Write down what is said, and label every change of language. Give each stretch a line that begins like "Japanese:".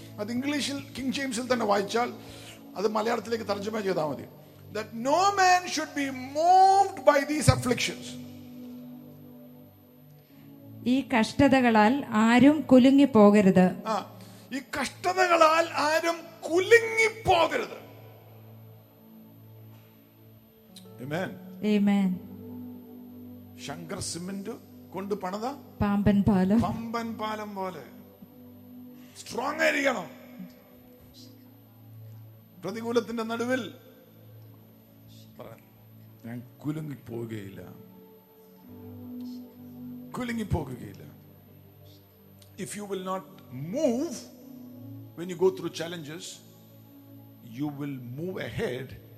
Malayalam: അത് ഇംഗ്ലീഷിൽ കിങ് ജെയിംസിൽ തന്നെ വായിച്ചാൽ അത് മലയാളത്തിലേക്ക് തർജ്ജമ ചെയ്താൽ മതി.
English: That no man should be moved by these afflictions.
Malayalam: ഈ കഷ്ടതകളാൽ ആരും കുലുങ്ങി പോകരുത്. ഈ കഷ്ടതകളാൽ ആരും കുലുങ്ങി പോകരുത്.
English: Amen. Amen.
Malayalam: ശങ്കർ സിമന്റ് കൊണ്ട് പണത പാമ്പൻ പാലം, പാമ്പൻ പാലം പോലെ സ്ട്രോങ് ആയിരിക്കണം. പ്രതികൂലത്തിന്റെ നടുവിൽ ഞാൻ കുലുങ്ങിപ്പോകുകയില്ല.
English: If you will not move when you go through challenges, you will move ahead